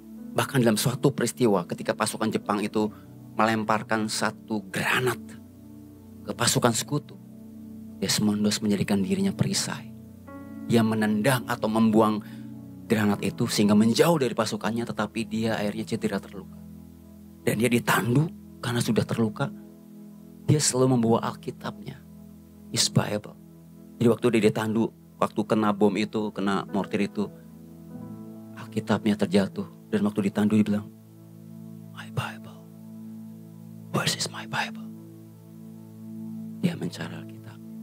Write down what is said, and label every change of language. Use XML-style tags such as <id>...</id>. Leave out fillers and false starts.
<id>Bahkan dalam suatu peristiwa ketika pasukan Jepang itu melemparkan satu granat ke pasukan sekutu, Desmondos menjadikan dirinya perisai. Dia menendang atau membuang granat itu sehingga menjauh dari pasukannya, tetapi dia akhirnya cedera terluka. Dan dia ditandu karena sudah terluka. Dia selalu membawa Alkitabnya,</id> <en>his Bible.</en> <id>Jadi waktu dia ditandu, waktu kena bom itu, kena mortir itu, Alkitabnya terjatuh. Dan waktu ditandu dia bilang,</id> <en>"My Bible, where is my Bible?"</en> <id>Dia mencari Alkitab.</id>